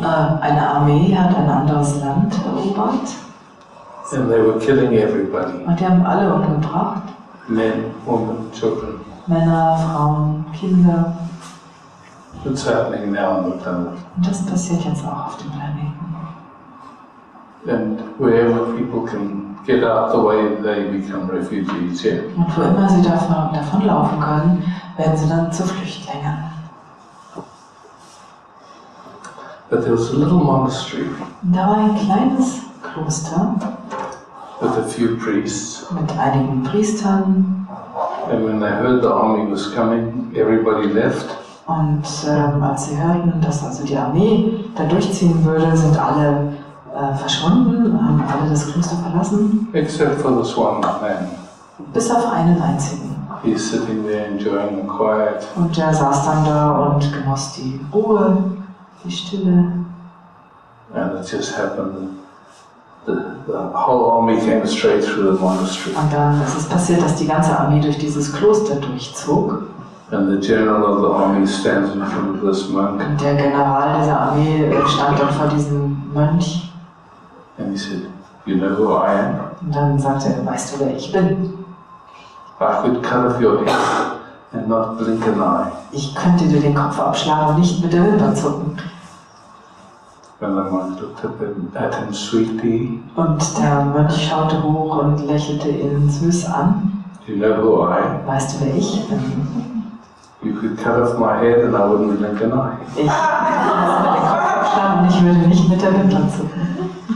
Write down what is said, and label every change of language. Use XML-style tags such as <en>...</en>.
<de>Eine Armee hat ein anderes Land erobert.</de> <en>And they were killing everybody.</en> <de>Und die haben alle umgebracht.</de> <en>Men, women, children.</en> <de>Männer, Frauen, Kinder.</de> <en>It's happening now on the planet.</en> <de>Und das passiert jetzt auch auf dem Planeten.</de> <en>And wherever people can get out of the way, they become refugees here.</en> <de>Und wo immer sie davon laufen können, werden sie dann zu Flüchtlingen.</de> <en>But there was a little monastery.</en> <de>Da war ein kleines Kloster.</de> <en>With a few priests.</en> <de>Mit einigen Priestern.</de> <en>And when they heard the army was coming, everybody left.</en> <de>Und als sie hörten, dass also die Armee da durchziehen würde, sind alle verschwunden, haben alle das Kloster verlassen.</de> <en>Except for this one man.</en> <de>Bis auf einen einzigen.</de> <en>He's sitting there enjoying the quiet.</en> <de>Und der saß dann da und genoss die Ruhe, die Stille.</de> <en>And it just happened. The whole army came straight through the monastery.</en> <de>Und dann ist es passiert, dass die ganze Armee durch dieses Kloster durchzog.</de> <en>And the general of the army stands in front of this monk.</en> <de>Und der General dieser Armee stand dann vor diesem Mönch.</de> <en>And he said, "You know who I am?"</en> <de>Und dann sagte er, weißt du, wer ich bin?</de> <en>I could cut off your head and not blink an eye.</en> <de>Ich könnte dir den Kopf abschlagen und nicht mit der Wimper zucken.</de> <en>And the monk looked at him sweetly.</en> <de>Und der Mönch schaute hoch und lächelte ihn süß an.</de> <en>"You know who I am?"</en> <de>Weißt du, wer ich bin?</de> <en>"You could cut off my head and I wouldn't blink an eye."</en> <de>Ich könnte mir den Kopf abschlagen und ich würde nicht mit der Wimper zucken.</de>